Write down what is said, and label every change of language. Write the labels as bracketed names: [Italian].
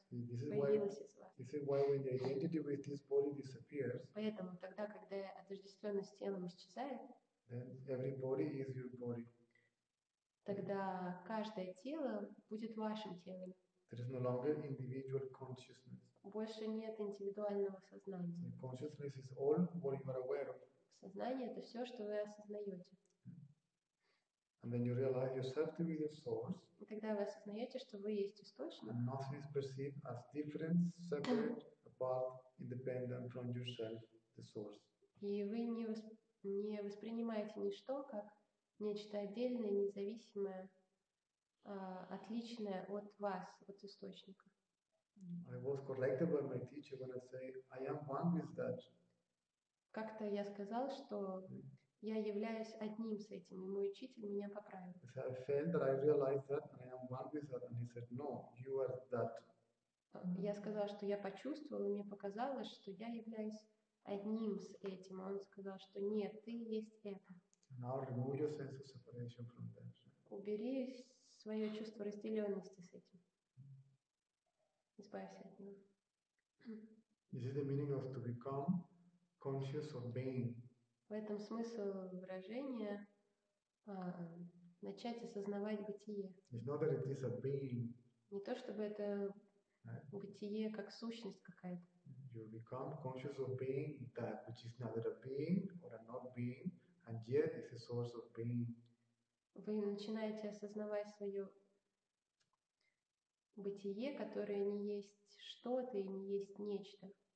[Russian] Появилось из вас. Поэтому тогда, когда отождествленность с телом исчезает, [English] then every body is your body. [Russian] тогда каждое тело будет вашим телом. [English] There is no longer individual consciousness. [Russian] Больше нет индивидуального сознания. [English] The consciousness is all what you are aware of. [Russian] Сознание — это все, что вы осознаете. [English] And then you realize yourself to be the source. [Russian] И тогда вы осознаете, что вы есть источник. [English] And nothing is perceived as different, separate, apart, independent from yourself, the source. [Russian] И вы не воспринимаете ничто как нечто отдельное, независимое, отличное от вас, от источника. [English] I was corrected by my teacher when I say I am one with that. [Russian] Как-то я сказал, что я являюсь одним с этим, и мой учитель меня поправил. [English] I felt that I realized that and I am one with that, and he said, no, you are that. [Russian] Я сказал, что я почувствовал, и мне показалось, что я являюсь одним с этим. Он сказал, что нет, ты есть это. [English] Now remove your sense of separation from that. [Russian] Убери свое чувство разделенности с этим. Избавься от него. [English] This is the meaning of to become conscious of being. [Russian] В этом смысл выражения начать осознавать бытие. [English] It's not that it is a being. [Russian] Не то чтобы это бытие как сущность какая-то. [English] You become conscious of being that which is neither a being or a not being, and yet is a source of being. [Russian] Вы начинаете осознавать свое бытие, которое не есть что-то и не есть нечто.